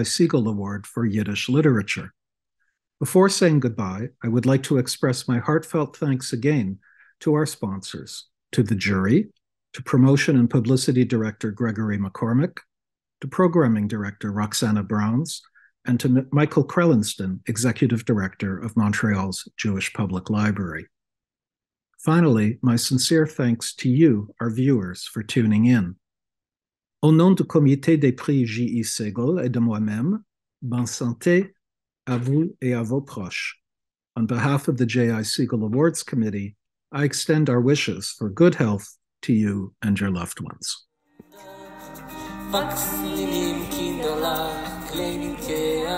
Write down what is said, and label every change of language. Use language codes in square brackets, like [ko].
[en] Segal Award for Yiddish Literature. Before saying goodbye, I would like to express my heartfelt thanks again to our sponsors, to the jury, to Promotion and Publicity Director Gregory McCormick, to Programming Director Roxana Browns, and to Michael Krellenston, Executive Director of Montreal's Jewish Public Library. Finally, my sincere thanks to you, our viewers, for tuning in. [fr] Au nom du comité des prix J.I. Segal et de moi-même, bonne santé à vous et à vos proches. [en] On behalf of the J.I. Segal Awards Committee, I extend our wishes for good health to you and your loved ones.